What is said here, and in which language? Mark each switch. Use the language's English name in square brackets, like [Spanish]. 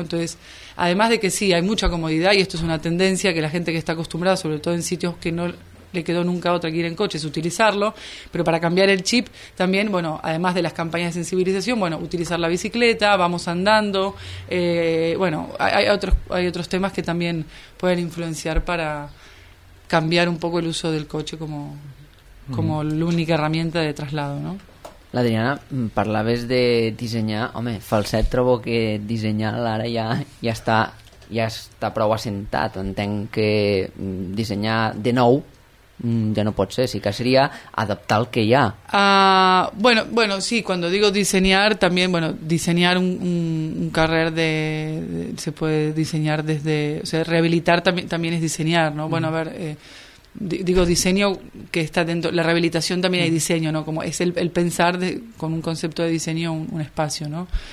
[Spanish] Entonces, además de que sí, hay mucha comodidad y esto es una tendencia que la gente que está acostumbrada, sobre todo en sitios que no le quedó nunca otra que ir en coche, es utilizarlo, pero para cambiar el chip también, bueno, además de las campañas de sensibilización, bueno, utilizar la bicicleta, vamos andando, bueno, hay otros temas que también pueden influenciar para cambiar un poco el uso del coche como la única herramienta de traslado, ¿no? [Catalan] L'Adriana, parlaves de dissenyar, home, Falset trobo que dissenyar ara ja està prou assentat, entenc que dissenyar de nou [Spanish] ya no puede ser, sí que sería adaptar el que ya. Bueno, sí, cuando digo diseñar, también, bueno, diseñar un carrer de se puede diseñar desde, o sea, rehabilitar también es diseñar, ¿no? Bueno, a ver, digo diseño que está dentro, la rehabilitación también hay diseño, ¿no? Como es el pensar con un concepto de diseño un espacio, ¿no?